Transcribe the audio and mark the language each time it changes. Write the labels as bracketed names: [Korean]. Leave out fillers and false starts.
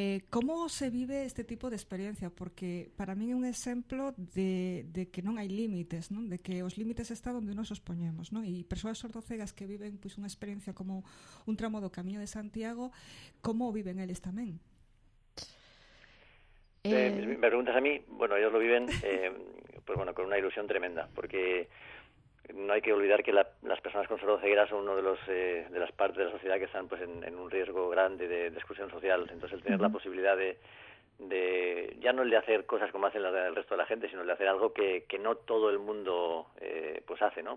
[Spanish] ¿Cómo se vive este tipo de experiencia? [Galician] Porque para mí é un exemplo de que non hai límites, ¿no? De que os límites está onde nos os poñemos, ¿no? E persoas sordocegas que viven pues, unha experiencia como un tramo do Camiño de Santiago, ¿cómo viven eles tamén? [Spanish] Me preguntas a mí, bueno, ellos lo viven pues, bueno, con unha ilusión tremenda, porque no hay que olvidar que las personas con sordoceguera son uno de los de las partes de la sociedad que están pues en un riesgo grande de exclusión social. Entonces el tener la posibilidad de ya no el de hacer cosas como hacen el resto de la gente, sino el de hacer algo que no todo el mundo pues hace, ¿no?